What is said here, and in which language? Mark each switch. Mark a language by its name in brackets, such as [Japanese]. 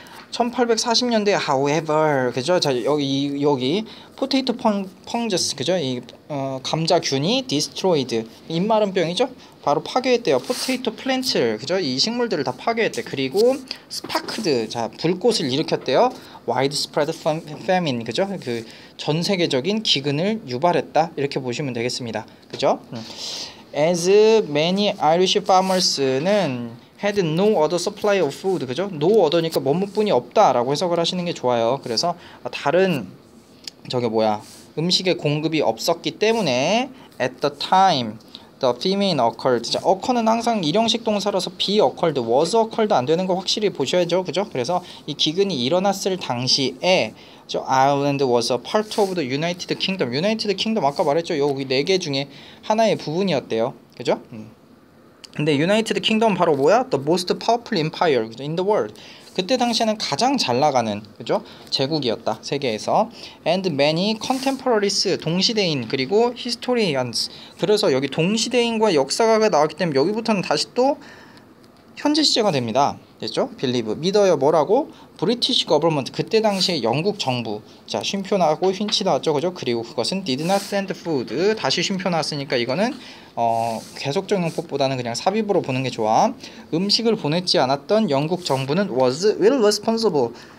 [Korean] 1840년대 however, 그죠? 자, 여기 포테이토 펑저스, 그죠? 감자균이 destroyed. 입마른 병이죠? 바로 파괴했대요. 포테이토 플랜트를, 그죠? 이 식물들을 다 파괴했대. 그리고 스파크드, 자, 불꽃을 일으켰대요. [English] widespread famine, [Korean] 그죠? 그 전 세계적인 기근을 유발했다. 이렇게 보시면 되겠습니다. 그죠? [English] As many Irish farmers는 had no other supply of food, [Korean] 그죠? no other니까 뭐뿐이 없다 라고 해석을 하시는 게 좋아요. 그래서 다른 저게 뭐야 음식의 공급이 없었기 때문에 [English] at the time the famine occurred. [Korean] 자, occur는 항상 일형식 동사라서 be occurred, was occurred 안 되는 거 확실히 보셔야죠. 그죠? 그래서 이 기근이 일어났을 당시에 저 [English] Ireland was a part of the United Kingdom. [Korean] United Kingdom 아까 말했죠? 여기 네 개 중에 하나의 부분이었대요. 그죠? 근데 United Kingdom 바로 뭐야? [English] The most powerful empire in the world. [Korean] 그때 당시에는 가장 잘 나가는 그죠? 제국이었다. 세계에서. [English] And many contemporaries, [Korean] 동시대인, 그리고 [English] historians. [Korean] 그래서 여기 동시대인과 역사가가 나왔기 때문에 여기부터는 다시 또 현재 시제가 됩니다. 됐죠? Believe. 믿어요. 뭐라고? British government. 그때 당시에 영국 정부. 자, 쉼표 나왔고 휜치 나왔죠. 그죠? 그리고 그것은 [English] did not send food. [Korean] 다시 쉼표 나왔으니까 이거는 계속 적용법보다는 그냥 삽입으로 보는 게 좋아. 음식을 보냈지 않았던 영국 정부는 [English] was irresponsible.